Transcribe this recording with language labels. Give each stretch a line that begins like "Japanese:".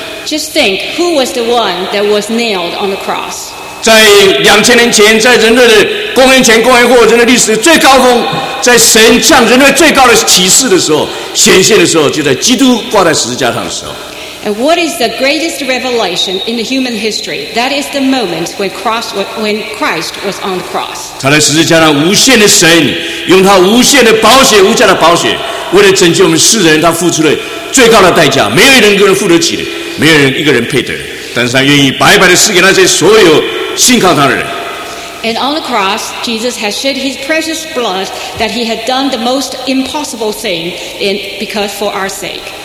English: Just think, who was the one that was nailed on the cross?
Chinese: 在2000年前，在人类的公元前、公元后，人类历史最高峰。在神向人类最高的启示的时候，显现的时候，就在基督挂在十字架上的时候。
English: And what is the greatest revelation in the human history? That is the moment when Christ was on the cross.
Chinese: 他在十字架上无限的神，用他无限的宝血、无价的宝血，为了拯救我们世人，他付出了最高的代价。没有人能够付得起的，没有人一个人配得，但是他愿意白白的赐给那些所有信靠他的人。
English: And on the cross, Jesus has shed his precious blood that he had done the most impossible thing in, because for our sake.